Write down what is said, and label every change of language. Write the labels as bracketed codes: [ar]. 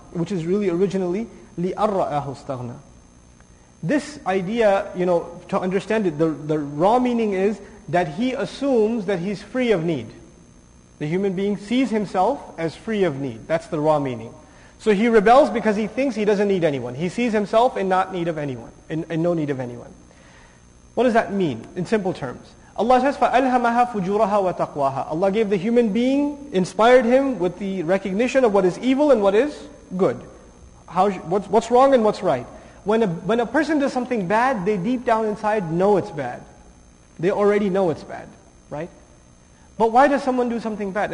[en] Which is really originally, [ar] لِأَرَّآهُ اسْتَغْنَى. [en] This idea, you know, to understand it, the raw meaning is that he assumes that he's free of need. The human being sees himself as free of need. That's the raw meaning. So he rebels because he thinks he doesn't need anyone. He sees himself in not need of anyone, in no need of anyone. What does that mean in simple terms? Allah says, [ar] فَأَلْهَمَهَا فُجُورَهَا وَتَقْوَاهَا. [en] Allah gave the human being, inspired him with the recognition of what is evil and what is good. What's wrong and what's right? When a person does something bad, they deep down inside know it's bad. They already know it's bad, right? But why does someone do something bad?